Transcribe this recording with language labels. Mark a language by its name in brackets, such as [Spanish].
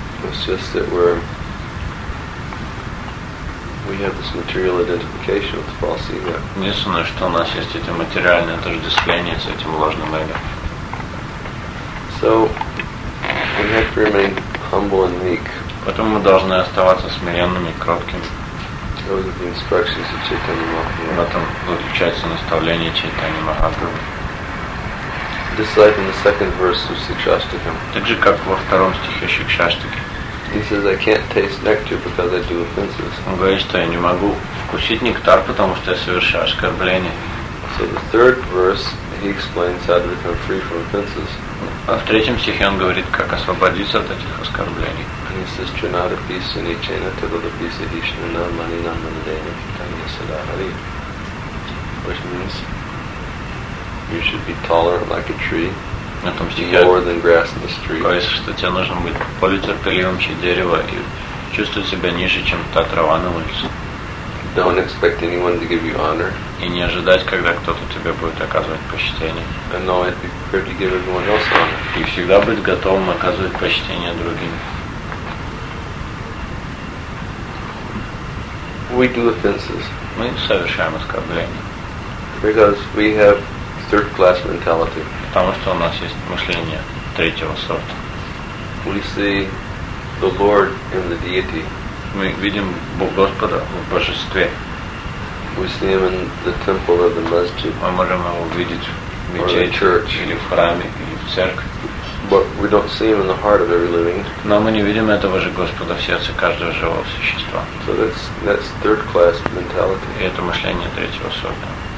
[English] It's just that we have this material identification with the false ego. [Russian] Единственное, что у нас есть это материальное отождествление с этим ложным эго. [English] So we have to remain humble and meek. [Russian] Поэтому мы должны оставаться смиренными, кроткими. [English] Those are the instructions of Chaitanya Mahaprabhu. [Russian] В этом заключается наставление Чайтаньи Махапрабху. [English] Just like in the second verse of Shikshashtakam. [Russian] Так же, как во втором стихе Шикшаштики. [English] He says, I can't taste nectar because I do offenses. [Russian] Он говорит, что я не могу вкусить нектар, потому что я совершаю оскорбление. [English] So the third verse, he explains how to become free from offenses. [Russian] А в третьем стихе он говорит, как освободиться от этих оскорблений. [English] He says, [Sanskrit] Trinada Pisa Nichena Tivada Pisa Hishna Na Mani Na Mani Dena Kitanya Sada Hari. [English] Which means, you should be taller like a tree. More than grass in the street. [Russian] Говорится, что тебе нужно быть более терпеливым, чем дерево, и чувствовать себя ниже, чем та трава на улице. [English] Don't expect anyone to give you honor. [Russian] И не ожидать, когда кто-то тебе будет оказывать почтение. [English] And always be prepared to give everyone else honor. [Russian] И всегда быть готовым оказывать почтение другим. [English] We do offenses. [Russian] Мы совершаем оскорбления. [English] Because we have third class mentality. [Russian] Потому что у нас есть мышление третьего сорта. [English] We see the Lord in the deity. [Russian] Мы видим Господа в божестве. [English] We see him in the temple of the masjid. [Russian] Мы можем его видеть в мечети, или в храме, или в церкви. [English] But we don't see him in the heart of every living. [Russian] Но мы не видим этого же Господа в сердце каждого живого существа. [English] So that's third class mentality. [Russian] И это мышление третьего сорта.